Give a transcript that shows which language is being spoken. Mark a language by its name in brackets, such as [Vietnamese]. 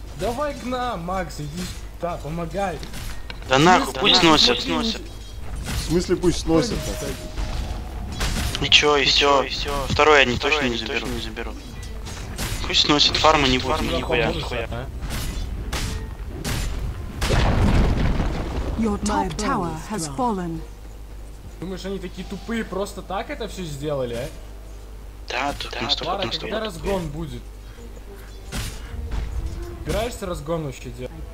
[Russian] Давай к нам, Макс, иди сюда, помогай. Да нахуй, да пусть сносят, пусть сносят. В смысле пусть сносят? Ничего, и все. Второй они точно не заберут. Пусть сносят, фарма не будет, нихуя. [English] Your top tower has fallen. [Russian] Думаешь, они такие тупые, просто так это все сделали, а? Да, тут наступает, когда разгон будет? Собираешься разгон вообще делать?